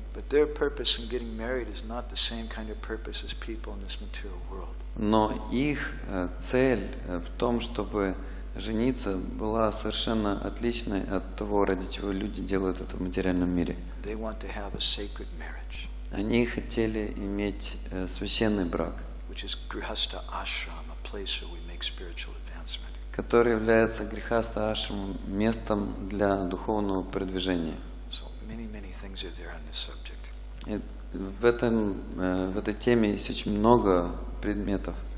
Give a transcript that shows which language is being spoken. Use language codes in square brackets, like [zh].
[en] But their purpose in getting married is not the same kind of purpose as people in this material world. [ru] Но их цель в том, чтобы жениться, была совершенно отличной от того, ради чего люди делают это в материальном мире. [en] They want to have a sacred marriage. [ru] Они хотели иметь священный брак, [en] which is grihastha ashram, a place where we make spiritual advancement. [ru] Который является грихастха ашрамом, местом для духовного продвижения. [en] So many things are there on this subject. [ru] В этой теме есть очень много предметов.